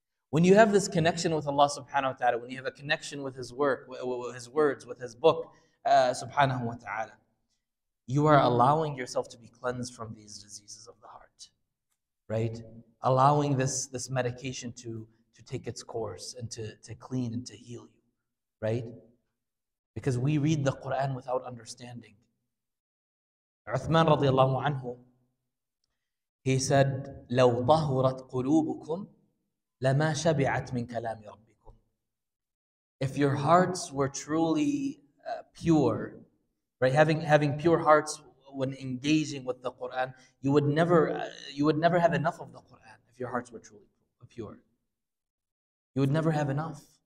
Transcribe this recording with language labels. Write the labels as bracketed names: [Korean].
[English] When you have this connection with Allah subhanahu wa ta'ala, when you have a connection with His work, with His words, with His book, subhanahu wa ta'ala, you are allowing yourself to be cleansed from these diseases of the heart, right? Allowing this medication to take its course and to clean and to heal you, right? Because we read the Qur'an without understanding. [Arabic] Uthman radiallahu anhu, [English] he said, [Arabic] لَوْ طَهُرَتْ قُلُوبُكُمْ لَمَا شَبِعَتْ مِنْ كَلَامِ رَبِّكُمْ. [English] If your hearts were truly pure, right, having pure hearts when engaging with the Qur'an, you would never have enough of the Qur'an if your hearts were truly pure. You would never have enough.